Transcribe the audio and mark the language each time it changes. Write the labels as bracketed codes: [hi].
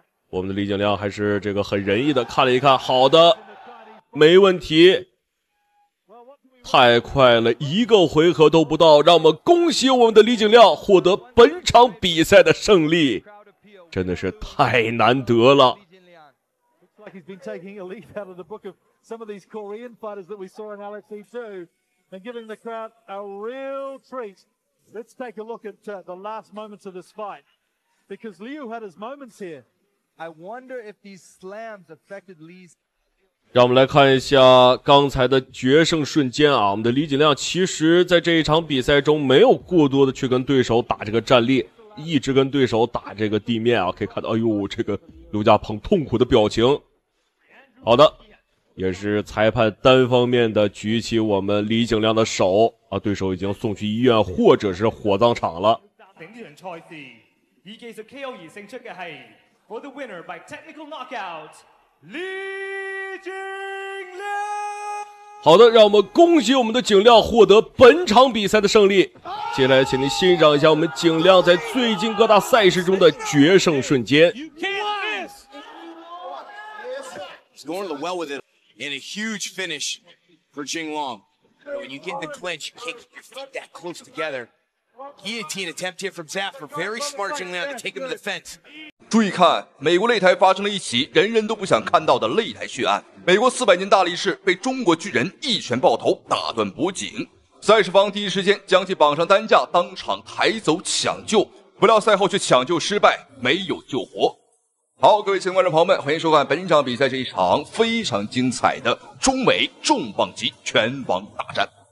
[zh] 我们的李景亮还是这个很仁义的看了一看，好的，没问题。太快了，一个回合都不到，让我们恭喜我们的李景亮获得本场比赛的胜利，真的是太难得了。 [en] Like he's been taking a leaf out of the book of some of these Korean fighters that we saw in LFC2 and giving the crowd a real treat. Let's take a look at the last moments of this fight because Liu had his moments here. I wonder if these slams affected Lee's. [zh] 让我们来看一下刚才的决胜瞬间啊，我们的李锦亮其实在这一场比赛中没有过多的去跟对手打这个站立，一直跟对手打这个地面啊，可以看到，哎呦，这个刘家鹏痛苦的表情。好的，也是裁判单方面的举起我们李锦亮的手啊，对手已经送去医院或者是火葬场了。顶点赛事以技术 KO 而胜出的是 [en] For the winner by technical knockout [zh] 李景亮。好的，让我们恭喜我们的景亮获得本场比赛的胜利。接下来请您欣赏一下我们景亮在最近各大赛事中的决胜瞬间。 [en] He's going to the well with it in a huge finish for Jing Long. When you get in the clinch, you can't keep your feet that close together. Guillotine attempt here from Zaffer. Very smart Jing Liang to take him to the fence. [zh] 注意看，美国擂台发生了一起人人都不想看到的擂台血案。美国400斤大力士被中国巨人一拳爆头，打断脖颈。赛事方第一时间将其绑上担架，当场抬走抢救。不料赛后却抢救失败，没有救活。好，各位亲爱的观众朋友们，欢迎收看本场比赛，这一场非常精彩的中美重磅级拳王大战。